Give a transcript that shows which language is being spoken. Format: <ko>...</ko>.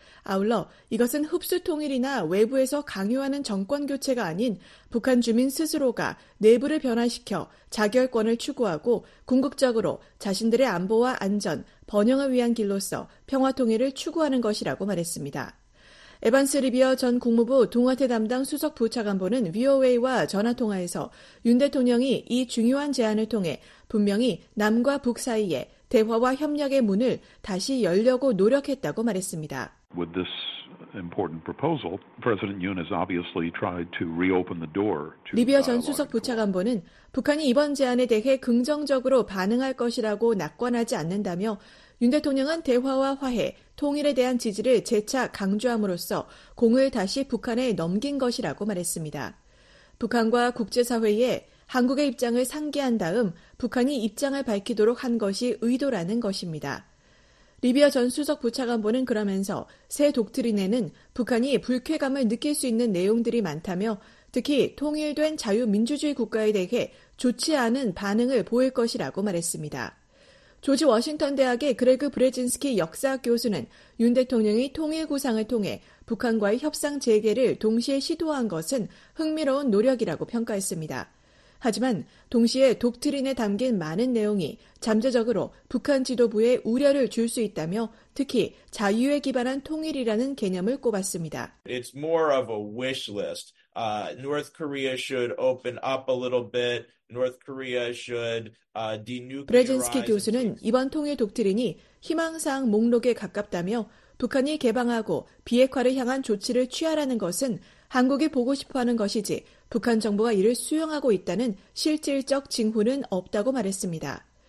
<ko>아울러 이것은 흡수통일이나 외부에서 강요하는 정권교체가 아닌 북한 주민 스스로가 내부를 변화시켜 자결권을 추구하고 궁극적으로 자신들의 안보와 안전, 번영을 위한 길로서 평화통일을 추구하는 것이라고 말했습니다. 에반스 리비어 전 국무부 동아태 담당 수석부차관보는 VOA와 전화통화에서 윤 대통령이 이 중요한 제안을 통해 분명히 남과 북 사이에 대화와 협력의 문을 다시 열려고 노력했다고 말했습니다.</ko> <en>With this important proposal, President Yoon has obviously tried to reopen the door to.</en> <ko>리비아 전 수석 부차관보는 북한이 이번 제안에 대해 긍정적으로 반응할 것이라고 낙관하지 않는다며 윤 대통령은 대화와 화해, 통일에 대한 지지를 재차 강조함으로써 공을 다시 북한에 넘긴 것이라고 말했습니다. 북한과 국제사회에 한국의 입장을 상기한 다음 북한이 입장을 밝히도록 한 것이 의도라는 것입니다. 리비아 전 수석 부차관보는 그러면서 새 독트린에는 북한이 불쾌감을 느낄 수 있는 내용들이 많다며 특히 통일된 자유민주주의 국가에 대해 좋지 않은 반응을 보일 것이라고 말했습니다. 조지 워싱턴 대학의 그레그 브레진스키 역사학 교수는 윤 대통령이 통일 구상을 통해 북한과의 협상 재개를 동시에 시도한 것은 흥미로운 노력이라고 평가했습니다. 하지만 동시에 독트린에 담긴 많은 내용이 잠재적으로 북한 지도부에 우려를 줄 수 있다며 특히 자유에 기반한 통일이라는 개념을 꼽았습니다.</ko> <en>It's more of a wish list. North Korea should open up a little bit. North Korea should denuclearize.</en> <ko>브레진스키 교수는 이번 통일 독트린이 희망사항 목록에 가깝다며 북한이 개방하고 비핵화를 향한 조치를 취하라는 것은 한국이 보고 싶어하는 것이지 북한 정부가 이를 수용하고 있다는 실질적 징후는 없다고 말했습니다.</ko>